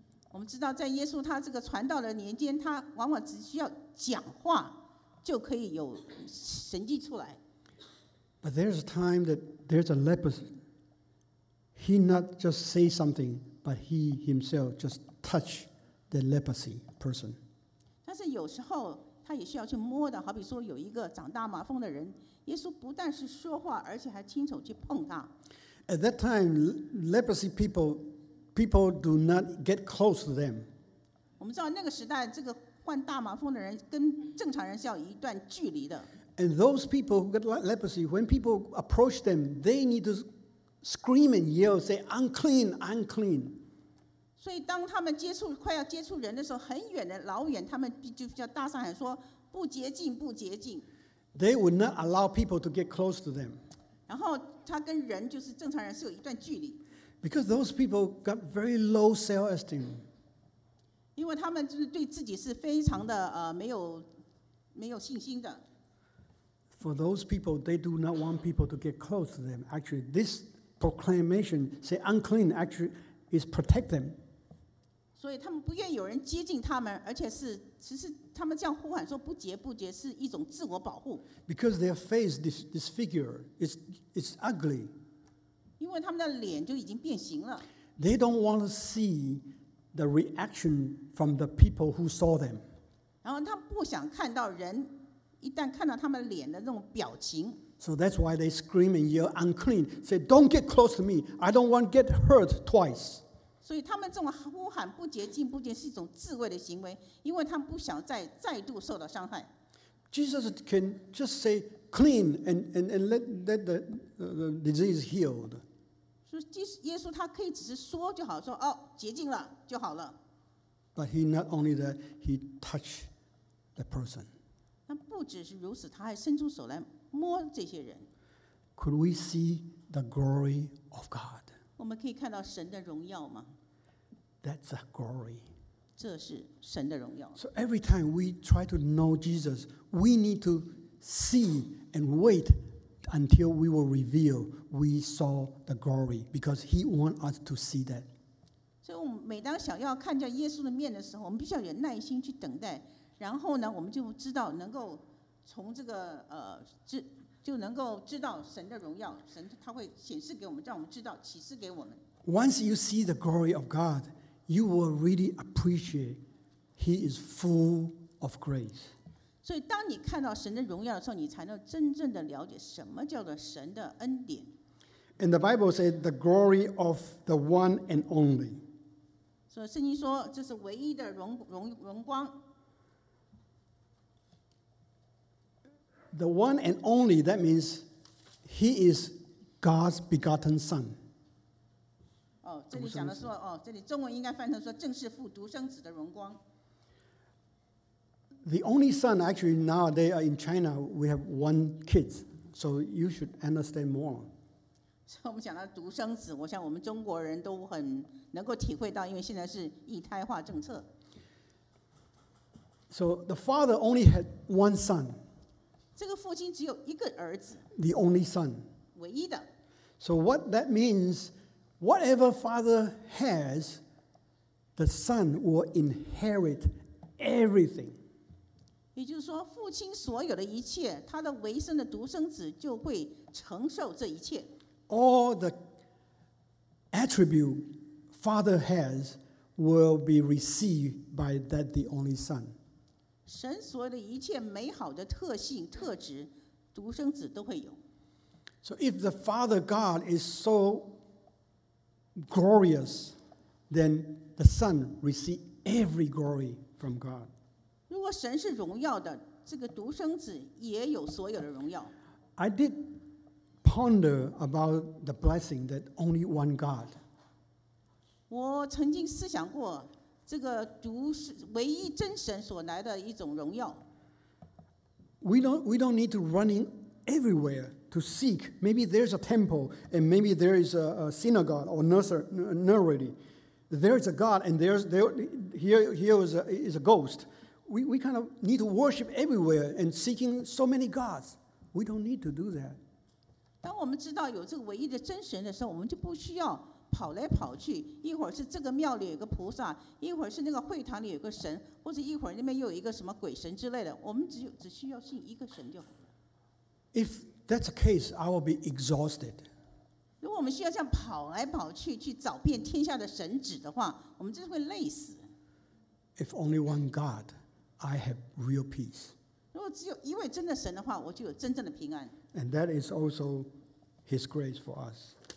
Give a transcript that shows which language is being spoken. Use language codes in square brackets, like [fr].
[zh] 我们知道，在耶稣他这个传道的年间，他往往只需要讲话，就可以有神迹出来。 [en] But there's a time that there's a leper. He not just say something, but he himself just touch. The leprosy person. [zh] 但是有时候他也需要去摸的，好比说有一个长大麻风的人，耶稣不但是说话，而且还亲手去碰他。 [en] At that time, leprosy people do not get close to them. [zh] 我们知道那个时代，这个患大麻风的人跟正常人是要一段距离的。 [en] And those people who get leprosy, when people approach them, they need to scream and yell, say, "Unclean, unclean." [zh] 所以当他们接触快要接触人的时候，很远的老远，他们就叫大声喊说：“不洁净，不洁净。” [en] They would not allow people to get close to them. [zh] 然后他跟人就是正常人是有一段距离。 [en] Because those people got very low self-esteem. [zh] 因为他们就是对自己是非常的没有信心的。 [en] For those people, they do not want people to get close to them. Actually, this proclamation say unclean actually is protect them. [zh] 所以他们不愿意有人接近他们，而且是其实他们这样呼喊说不洁不洁是一种自我保护。 [en] Because their face disfigured, it's ugly. [zh] 因为他们的脸就已经变形了。 [en] They don't want to see the reaction from the people who saw them. [zh] 然后他不想看到人一旦看到他们脸的那种表情。 [en] So that's why they scream and yell unclean. Say, don't get close to me. I don't want to get hurt twice. [zh] 所以他们这种呼喊不洁净不洁是一种自卫的行为，因为他们不想再度受到伤害。 [en] Jesus can just say clean and let the disease healed. [zh] 所以耶稣他可以只是说就好，说哦洁净了就好了。 [en] But he not only that, he touched the person. [zh] 那不只是如此，他还伸出手来摸这些人。 [en] Could we see the glory of God? [zh] 我们可以看到神的荣耀吗？ [en] That's a glory. [zh] 这是神的荣耀。 [en] So every time we try to know Jesus, we need to see and wait until we will reveal we saw the glory, because he wants us to see that. [zh] 所以我们每当想要看见耶稣的面的时候，我们必须要有耐心去等待，然后呢，我们就知道能够从这个就能够知道神的荣耀，神他会显示给我们，让我们知道，启示给我们。 [en] Once you see the glory of God, you will really appreciate He is full of grace. [zh] 所以当你看到神的荣耀的时候，你才能真正的了解什么叫做神的恩典。 [en] And the Bible said the glory of the one and only. [zh] 所以圣经说这是唯一的荣光。 [en] The one and only, that means He is God's begotten Son. [zh] 这里讲的说，这里中文应该翻成说正是父独生子的荣光。 [en] The only Son, actually nowadays in China, we have one kid, so you should understand more. [zh] 所以我们讲到独生子，我想我们中国人都很能够体会到，因为现在是一胎化政策。 [en] So the father only had one son. [zh] 这个父亲只有一个儿子， [en] the only son, [zh] 唯一的。 [en] So what that means, whatever father has, the son will inherit everything. [zh] 也就是说，父亲所有的一切，他的唯生的独生子就会承受这一切。 [en] All the attribute father has will be received by that the only son. [zh] 神所有的一切美好的特性特质独生子都会有。 [en] So if the Father God is so glorious, then the Son receives every glory from God. [zh] 如果神是荣耀的，这个独生子也有所有的荣耀。 [en] I did ponder about the blessing that only one God. [zh] 我曾经思想过这个独唯一真神所来的一种荣耀。 [en] We don't need to run in everywhere to seek. Maybe there's a temple and maybe there is a synagogue or nursery. There is a God and here is a ghost. We kind of need to worship everywhere and seeking so many gods. We don't need to do that. [zh] 当我们知道有这个唯一的真神的时候，我们就不需要跑来跑去，一会儿是这个庙里有个菩萨，一会儿是那个会堂里有个神，或者一会儿那边又有一个什么鬼神之类的。我们只需要信一个神就好了。 [en] If that's the case, I will be exhausted. [zh] 如果我们需要这样跑来跑去去找遍天下的神旨的话，我们真会累死。 [en] If only one God, I have real peace. [zh] 如果只有一位真的神的话，我就有真正的平安。 [en] And that is also His grace for us.